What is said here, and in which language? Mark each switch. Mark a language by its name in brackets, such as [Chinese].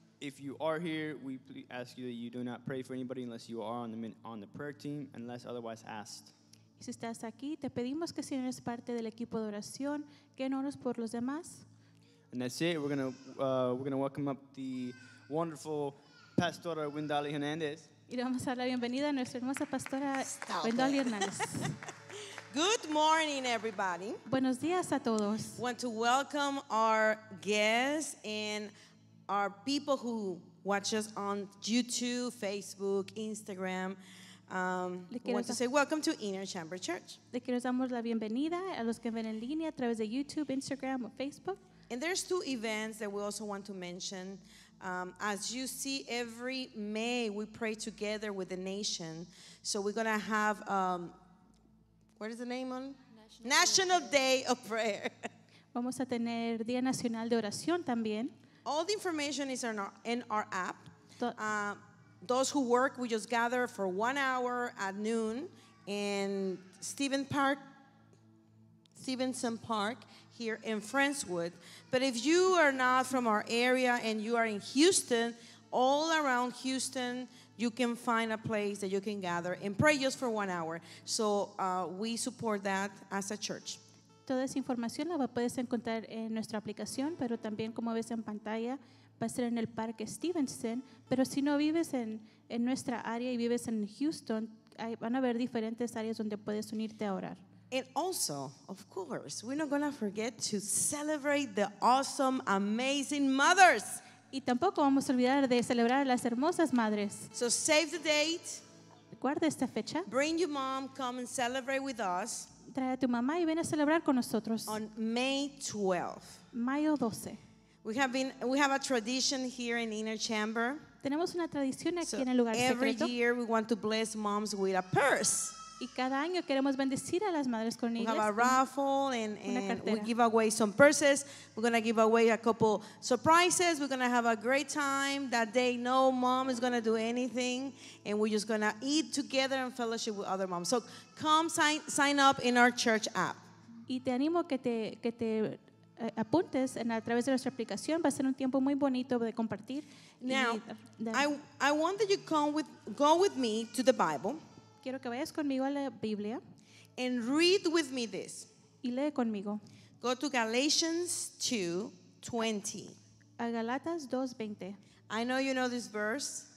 [English] If you are here, we ask you that you do not pray for anybody unless you are on the prayer team, unless otherwise asked. [Spanish] Y si estás aquí, te pedimos que si no eres parte del equipo de oración, que no ores por los demás. [English] And that's it. We're gonna welcome up the wonderful pastora Wendali Hernandez. [Spanish] Y vamos a dar la bienvenida a nuestra hermosa pastora Wendali Hernandez. [English] Good morning, everybody. [Spanish] Buenos días a todos. [English] Want to welcome our guests and our people who watch us on YouTube, Facebook, Instagram. We want to say welcome to Inner Chamber Church. [Spanish] Le quiero dar la bienvenida a los que ven en línea a través de YouTube, Instagram, o Facebook. [English] And there's two events that we also want to mention. As you see, every May we pray together with the nation. So we're going to have, what is the name on? National Day of Prayer. [Spanish] Vamos a tener Día Nacional de Oración también. [English] All the information is in our app. Those who work, we just gather for 1 hour at noon in Stevenson Park. Here in Friendswood. But if you are not from our area and you are in Houston, all around Houston, you can find a place that you can gather and pray just for 1 hour. So we support that as a church. [Spanish] Toda esa información la puedes encontrar en nuestra aplicación, pero también como ves en pantalla, va a ser en el Parque Stevenson. Pero si no vives en nuestra área y vives en Houston, van a haber diferentes áreas donde puedes unirte a orar. [English] And also, of course, we're not going to forget to celebrate the awesome, amazing mothers. [Spanish] Y tampoco vamos a olvidar de celebrar a las hermosas madres. [English] So save the date. [Spanish] Guarda esta fecha. [English] Bring your mom, come and celebrate with us. [Spanish] Trae a tu mamá y ven a celebrar con nosotros. [English] On May 12th. [Spanish] Mayo 12. [English] We have a tradition here in Inner Chamber. [Spanish] Tenemos una tradición aquí en el lugar secreto. [English] Every year we want to bless moms with a purse. [Spanish] Y cada año queremos bendecir a las madres con ellas. [English] We have a raffle and we give away some purses. We're going to give away a couple surprises. We're going to have a great time that day. No mom is going to do anything. And we're just going to eat together and fellowship with other moms. So come sign up in our church app. [Spanish] Y te animo que te apuntes a través de nuestra aplicación. Va a ser un tiempo muy bonito de compartir. [English] Now, I want that you go with me to the Bible. [Spanish] Quiero que vayas conmigo a la Biblia. [English] And read with me this. [Spanish] Y lee conmigo. [English] Go to Galatians 2:20. [Spanish] A Galatas 2:20. [English] I know you know this verse.